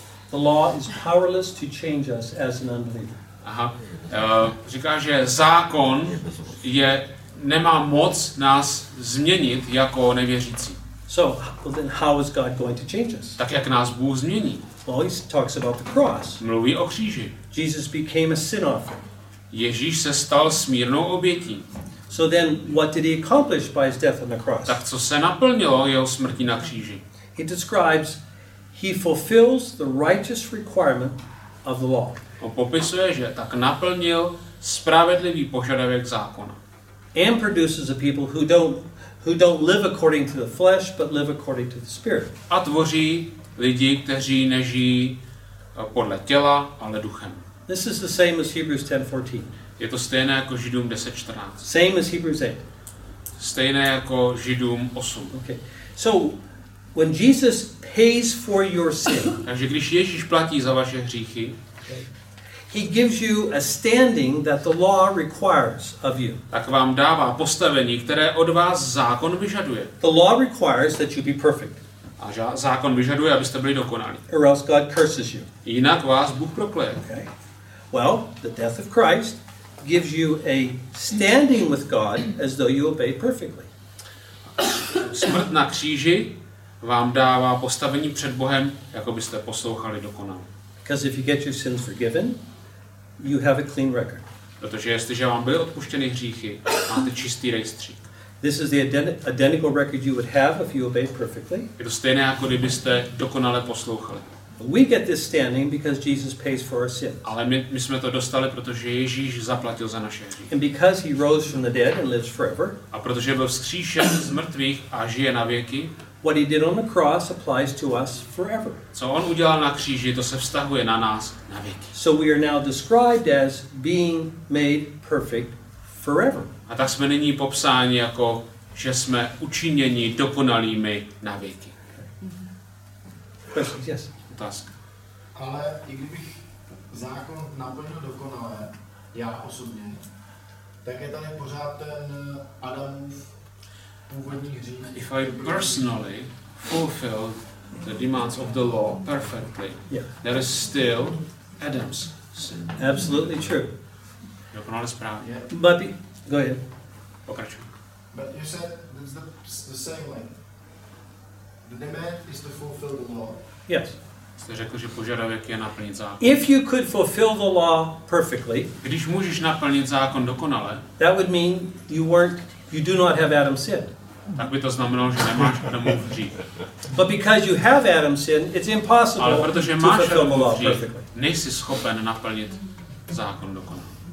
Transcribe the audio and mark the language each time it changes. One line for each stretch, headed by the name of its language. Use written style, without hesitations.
English: The law is powerless to change us as an unbeliever.
Czech: Aha. Říká, že zákon je nemá moc nás změnit jako nevěřící.
English: So, well then how is God going to change us?
Czech: Tak jak nás Bůh změní?
English: Well, he talks about the cross.
Czech: Mluví o kříži.
English: Jesus became a sin offering.
Czech: Ježíš se stal smírnou obětí.
English: So then what did he accomplish by his death on the cross?
Czech: Tak co se naplnilo jeho smrtí na kříži?
English: He describes he fulfills the righteous requirement of the law.
Czech: On popisuje, že tak naplnil spravedlivý požadavek zákona.
English: And produces a people who don't live according to the flesh but live according to the spirit.
Czech: A tvoří lidi, kteří nežijí podle těla, ale duchem.
English: This is the same as Hebrews 10:14.
Czech: Je to stejné jako Židům 10:14.
English: Same as Hebrews 8.
Czech: Stejné jako Židům 8.
English: Okay. So when Jesus pays for your sin.
Czech: Takže když Ježíš platí za vaše hříchy,
English: he gives you a standing that the law requires of you.
Czech: Tak vám dává postavení, které od vás zákon vyžaduje.
English: The law requires that you be perfect.
Czech: A zákon vyžaduje, abyste byli dokonalí.
English: Or else God curses you.
Czech: Jinak vás Bůh prokleje.
English: Okay.
Czech: Well, the death of Christ gives you a standing with God as though you obeyed perfectly.
English: Smrt na kříži vám dává postavení před Bohem, jako byste poslouchali dokonale.
Czech: Because if you get your sins forgiven, you have a clean record.
English: Protože jestliže vám byly odpuštěny hříchy, máte čistý rejstřík.
Czech: This is the identical record you would have if you obeyed perfectly.
English: Je to stejné, jako kdybyste dokonale poslouchali.
Czech: We get this standing because Jesus pays for our sins.
English: Ale my jsme to dostali, protože Ježíš zaplatil za naše hříchy.
Czech: And because he rose from the dead and lives forever.
English: A protože byl vzkříšen z mrtvých a žije na věky.
Czech: What he did on the cross applies to us forever.
English: Co on udělal na kříži, to se vztahuje na nás na věky.
Czech: So we are now described as being made perfect forever.
English: A tak jsme nyní popsáni jako, že jsme učiněni dokonalými na věky. Questions, yes.
Czech: Otázka. Ale i kdybych zákon naplnil dokonale, já osobně, tak je tady pořád ten Adamův původní hřích.
English: If I personally fulfilled the demands of the law perfectly, yeah. There is still Adam's sin. Absolutely true.
Czech: Dokonale správně.
English: Yeah. But go ahead.
Czech: Pokračuj.
English: But you said it's the same way. The demand is to fulfill the law. Yes.
Czech: Jste řekl, že požadavek je naplnit zákon.
English: If you could fulfill the law perfectly,
Czech: když můžeš naplnit zákon dokonale,
English: that would mean you do not have Adam's sin.
Czech: Tak by to znamenalo, že nemáš Adamův hřích.
English: But because you have Adam's sin, it's impossible to fulfill the law perfectly.
Czech: Ale protože máš Adamův hřích, nejsi schopen naplnit zákon dokonale.